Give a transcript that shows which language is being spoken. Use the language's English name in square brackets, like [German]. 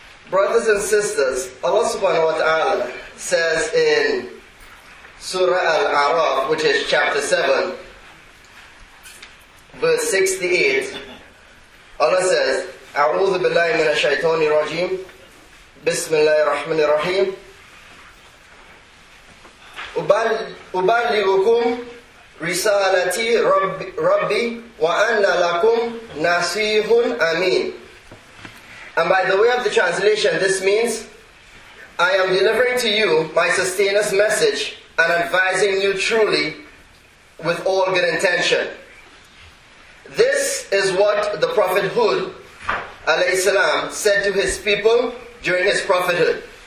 [English] Brothers and sisters, Allah subhanahu wa ta'ala says in Surah Al-A'raf, which is chapter 7, verse 68, Allah says, [Arabic] A'udhu billahi min ash-shaytani rajim. بسم الله الرحمن الرحيم أبلغكم رسالتي ربي وأنا لكم نصيح أمين. [English] And by the way of the translation, this means I am delivering to you my sustainer's message and advising you truly with all good intention. This is what the Prophet Hud alayhi salam said to his people during his prophethood.